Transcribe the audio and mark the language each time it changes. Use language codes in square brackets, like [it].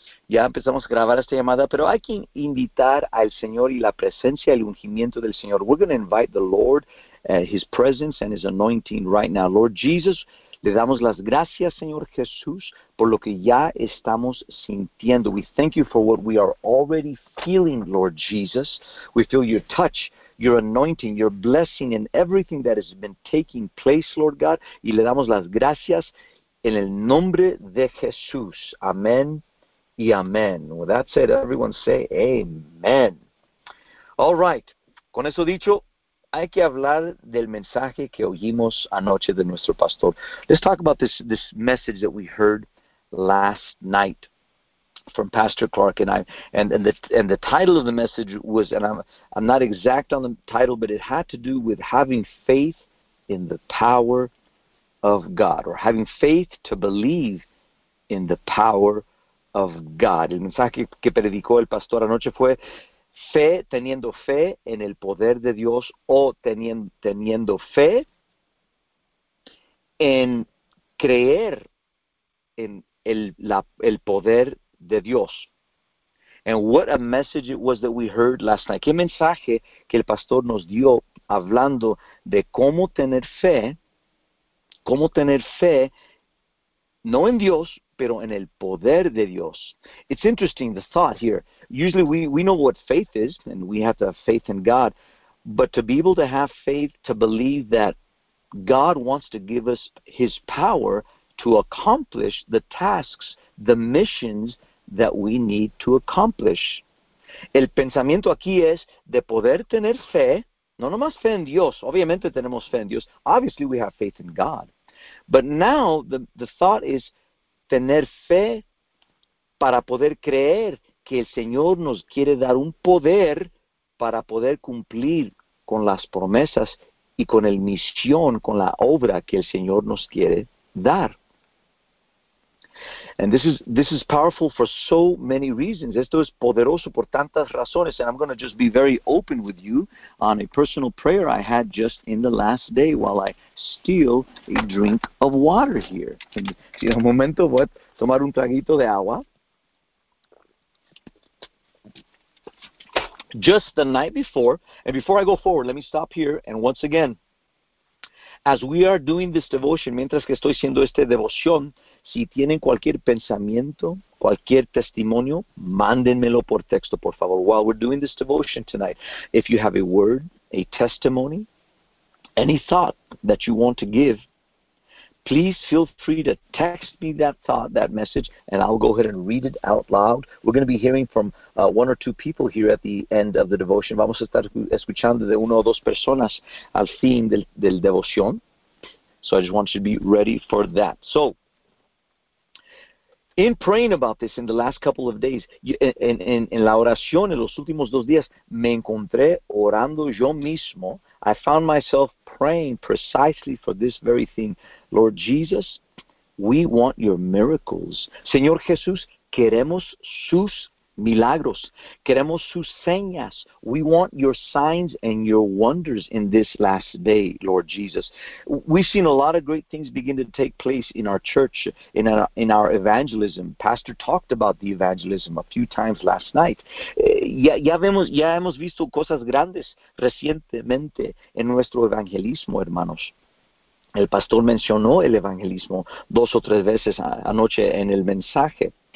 [es] Ya empezamos a grabar esta llamada, pero hay que invitar al Señor y la presencia, el ungimiento del Señor. [en] We're going to invite the Lord, His presence and His anointing right now. [es] Lord Jesus, le damos las gracias, Señor Jesús, por lo que ya estamos sintiendo. [en] We thank you for what we are already feeling, Lord Jesus. We feel your touch, your anointing, your blessing in everything that has been taking place, Lord God. [es] Y le damos las gracias en el nombre de Jesús. [en] Amén y amén. Well, that's it. Everyone say amen. All right. [es] Con eso dicho, hay que hablar del mensaje que oímos anoche de nuestro pastor. [en] Let's talk about this message that we heard last night from Pastor Clark and I. And the title of the message was, and I'm not exact on the title, but it had to do with having faith in the power of God, or having faith to believe in the power of God. [es] El mensaje que predicó el pastor anoche fue fe, teniendo fe en el poder de Dios, o teniendo fe en creer en el poder de Dios. [en] And what a message it was that we heard last night. [es] Qué mensaje que el pastor nos dio hablando de cómo tener fe, no en Dios, pero en el poder de Dios. [en] It's interesting, the thought here. Usually we know what faith is, and we have to have faith in God. But to be able to have faith, to believe that God wants to give us His power to accomplish the tasks, the missions that we need to accomplish. [es] El pensamiento aquí es de poder tener fe, no nomás fe en Dios. Obviamente tenemos fe en Dios. [en] Obviously we have faith in God. But now the thought is [es] tener fe para poder creer que el Señor nos quiere dar un poder para poder cumplir con las promesas y con el misión, con la obra que el Señor nos quiere dar. [en] And this is powerful for so many reasons. [es] Esto es poderoso por tantas razones. [en] And I'm going to just be very open with you on a personal prayer I had just in the last day while I steal a drink of water here. [es] En un momento voy a tomar un traguito de agua. [en] Just the night before, and before I go forward, let me stop here. And once again, as we are doing this devotion, [es] mientras que estoy haciendo esta devoción, si tienen cualquier pensamiento, cualquier testimonio, mándenmelo por texto, por favor. [en] While we're doing this devotion tonight, if you have a word, a testimony, any thought that you want to give, please feel free to text me that thought, that message, and I'll go ahead and read it out loud. We're going to be hearing from one or two people here at the end of the devotion. [es] Vamos a estar escuchando de uno o dos personas al fin del devoción. [en] So I just want you to be ready for that. So, in praying about this in the last couple of days, [es] en la oración en los últimos dos días, me encontré orando yo mismo. [en] I found myself praying precisely for this very thing. Lord Jesus, we want your miracles. [es] Señor Jesús, queremos sus milagros. Queremos sus señas. [en] We want your signs and your wonders in this last day, Lord Jesus. We've seen a lot of great things begin to take place in our church, in our evangelism. Pastor talked about the evangelism a few times last night. [es] Ya hemos visto cosas grandes recientemente en nuestro evangelismo, hermanos. El pastor mencionó el evangelismo dos o tres veces anoche en el mensaje.